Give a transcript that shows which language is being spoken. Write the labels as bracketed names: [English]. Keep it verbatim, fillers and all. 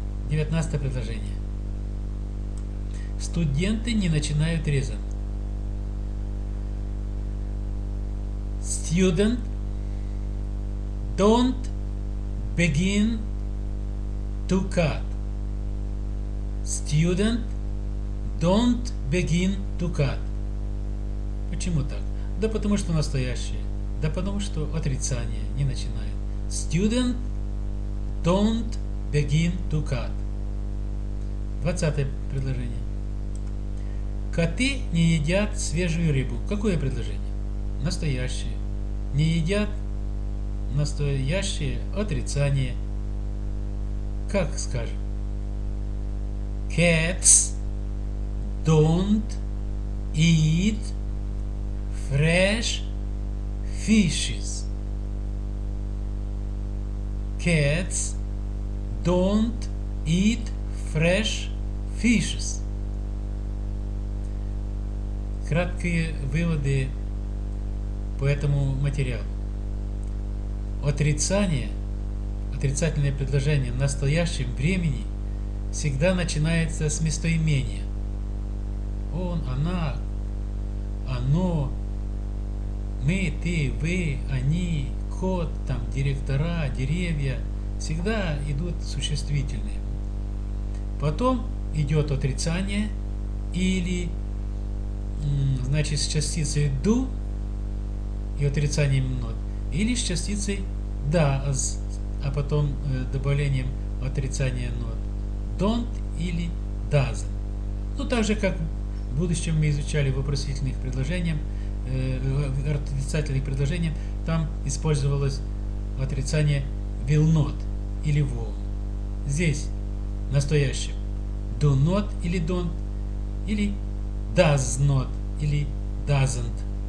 [Russian] девятнадцатое предложение. Студенты не начинают резать. [English] Student don't begin to cut. Student don't begin to cut. [Russian] Почему так? Да потому что настоящее. Да потому что отрицание не начинает. [English] Student don't begin to cut. [Russian] двадцатое предложение. Коты не едят свежую рыбу. Какое предложение? Настоящее. Не едят настоящее отрицание. Как скажем? [English] Cats don't eat fresh fishes. Cats don't eat fresh fishes. [Russian] Краткие выводы по этому материалу. Отрицание, отрицательное предложение в настоящем времени всегда начинается с местоимения. Он, она, оно, мы, ты, вы, они, кот, там, директора, деревья. Всегда идут существительные. Потом идет отрицание или, значит, с частицей do и отрицанием not, или с частицей does, а потом добавлением отрицания not. [English] Don't или doesn't. [Russian] Ну, так же, как в будущем мы изучали вопросительных предложений, э, отрицательных предложений, там использовалось отрицание will not или won't. Здесь в настоящем do not или don't, или does not или doesn't.